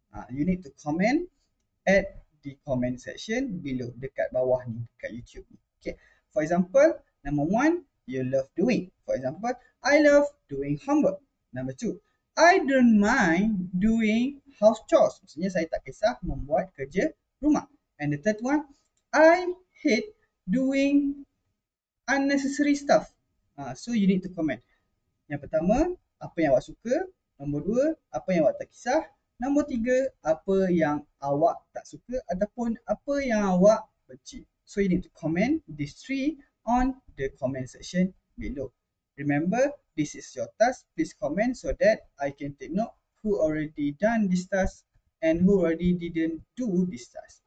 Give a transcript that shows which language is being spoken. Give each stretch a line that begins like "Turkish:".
English: You need to comment at the comment section below,
Malay: dekat bawah ni, dekat YouTube ni.
English: Okay. For example, number one, you love doing. For example, I love doing homework. Number two, I don't mind doing house chores.
Malay: Maksudnya, saya tak kisah membuat kerja rumah.
English: And the third one, I hate doing unnecessary stuff. So, you need to comment.
Malay: Yang pertama, apa yang awak suka. Nombor dua, apa yang awak tak kisah. Nombor tiga, apa yang awak tak suka ataupun apa yang awak benci.
English: So, you need to comment these three on the comment section below. Remember, this is your task. Please comment so that I can take note who already done this task and who already didn't do this task.